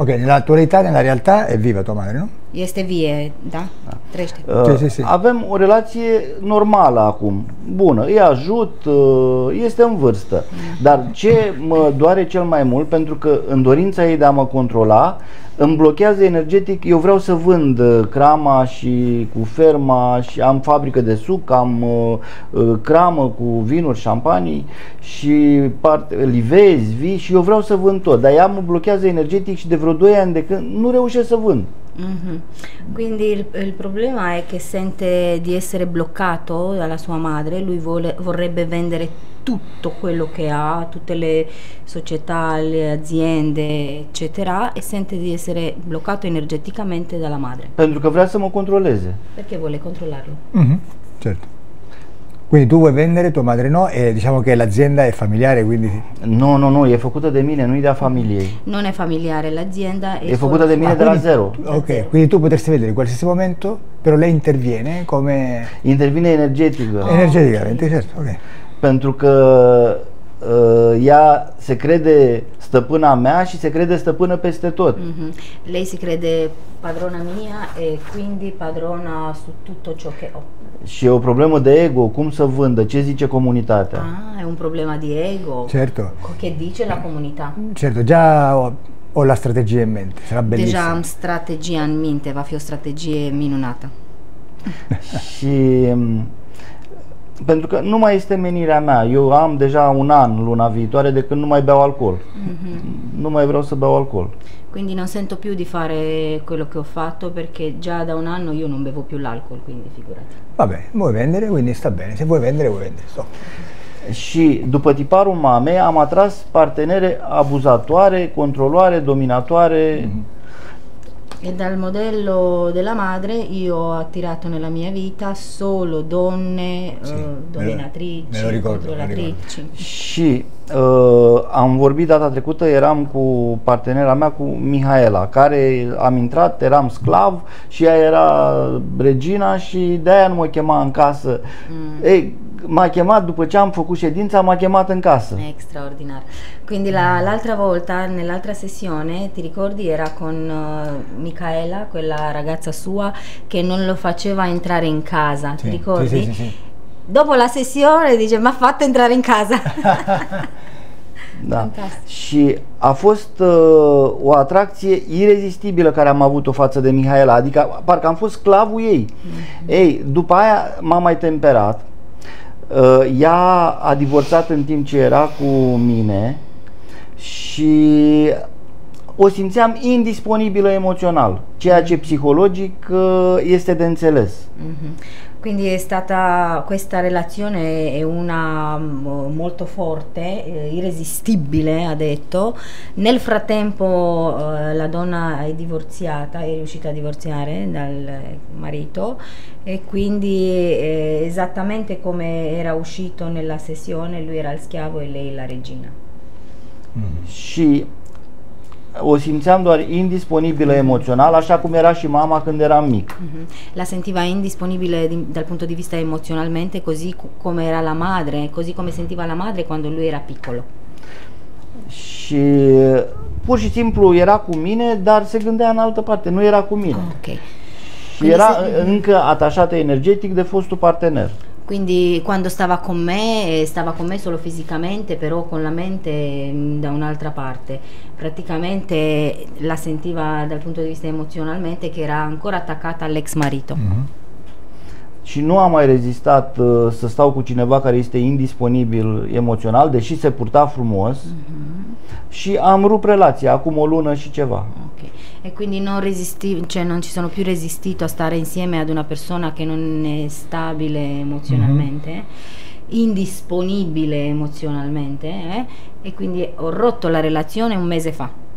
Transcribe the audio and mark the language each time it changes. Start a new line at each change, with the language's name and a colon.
Italian: Ok, nell'attualità, nella realtà è viva tua madre, no?
Romanian: Este vie, da? Avem o relație normală acum, bună, îi ajut, este în vârstă. Dar ce mă doare cel mai mult, pentru că în dorința ei de a mă controla, îmi blochează energetic, eu vreau să vând crama și cu ferma și am fabrică de suc, am cramă cu vinuri, șampanii și livezi, vii și eu vreau să vând tot. Dar ea mă blochează energetic și de vreo 2 ani de când nu reușesc să vând.
Italian: Quindi il problema è che sente di essere bloccato dalla sua madre, lui vorrebbe vendere tutto quello che ha, tutte le società, le aziende, eccetera, e sente di essere bloccato energeticamente dalla madre. Perché vuole che mi controlleze. Perché vuole controllarlo. Certo. Quindi tu vuoi vendere, tua madre no, e diciamo che l'azienda è familiare, quindi... No, no, no, è fatta da mine, non è da famiglie. Non è familiare, l'azienda è... È fatta da mine da zero. Ok, quindi tu potresti vendere in qualsiasi momento, però lei interviene come... Interviene energetica. Oh, energeticamente, okay. Certo, ok.
Romanian: Perché ea se crede stăpâna mea și se crede stăpână peste tot.
Italian: Lei se crede padrona mia e quindi padrona su tutto ciò che ho.
Romanian: Și e o problemă de ego, cum să vândă, ce zice comunitatea?
Italian: Ah, e un problema de ego. Certo. Ce dice la comunità? Certo, già ho la strategia in mente, sarà bellissima.
Romanian: Deja am strategia în minte, va fi o strategie minunată. Și... Pentru că nu mai este menirea mea. Eu am deja un an luna viitoare de când nu mai beau alcool. Nu mai vreau să beau alcool.
Italian: Quindi non sento più di fare quello che ho fatto perché già da un anno io non bevo più l'alcol, quindi figurati. Va bene, vuoi vendere, quindi sta bene. Se vuoi vendere, vuoi vendere.
English: So.
Romanian: Și după tiparul mamei am atras partenere abuzatoare, controlare, dominatoare.
Italian: E dal modello della madre io ho attirato nella mia vita solo donne dominatrici, controllatrici.
Romanian: Și am vorbit data trecută, eram cu partenera mea, cu Mihaela, care am intrat, eram sclav și ea era regina și de-aia nu mă chema în casă. Ei, m-a chemat după ce am făcut ședința, m-a chemat în casă. Extraordinar.
Italian: Quindi l'altra volta, nell'altra sessione, ti ricordi, era con Micaela, quella ragazza sua, che non lo faceva entrare in casa, sì, ti ricordi? Sì, sì, sì, sì. Dopo la sessione dice, m'ha fatto entrare in casa.
Romanian: Da. Și a fost o atracție irezistibilă care am avut-o față de Micaela, adică parcă am fost sclavul ei. Ei, după aia m-a mai temperat. Ea a divorțat în timp ce era cu mine și o simțeam indisponibilă emoțional, ceea ce psihologic este de înțeles.
Italian: Quindi è stata questa relazione è una molto forte, irresistibile, ha detto. Nel frattempo la donna è divorziata, è riuscita a divorziare dal marito e quindi esattamente come era uscito nella sessione, lui era il schiavo e lei la regina. Sì.
Romanian: o simțeam doar indisponibilă emoțional, așa cum era și mama când eram mic.
Italian: La sentiva
Romanian: indisponibilă din punct de
Italian: vista emoționalmente, così come era la madre, così come sentiva la madre quando lui era piccolo.
Romanian: Și pur și simplu era cu mine, dar se gândea în altă parte, nu era cu mine. Ok. Și era încă atașată energetic de fostul partener.
Italian: Quindi quando stava con me solo fisicamente, però con la mente da un'altra parte. Praticamente la sentiva dal punto di vista emozionalmente che era ancora attaccata all'ex marito.
Romanian: Și nu a mai rezistat să stau cu cineva care este indisponibil emoțional, deși se purta frumos. Și am rupt relația acum o lună și ceva. Ok.
Italian: E quindi non resisti, cioè non ci sono più resistito a stare insieme ad una persona che non è stabile emozionalmente, indisponibile emozionalmente, e quindi ho rotto la relazione un mese fa.